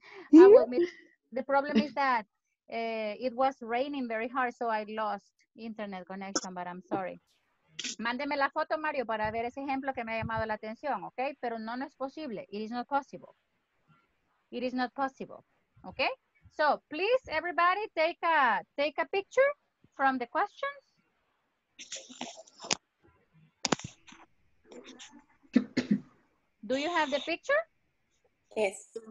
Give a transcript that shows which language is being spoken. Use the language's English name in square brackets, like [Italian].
[English] The problem is that it was raining very hard, so I lost internet connection, but I'm sorry. [Spanish] Mándeme la foto, Mario, para ver ese ejemplo que me ha llamado la atención, okay? Pero no es posible. [English] It is not possible, okay? So, please, everybody, take a picture from the questions. Do you have the picture? Yes.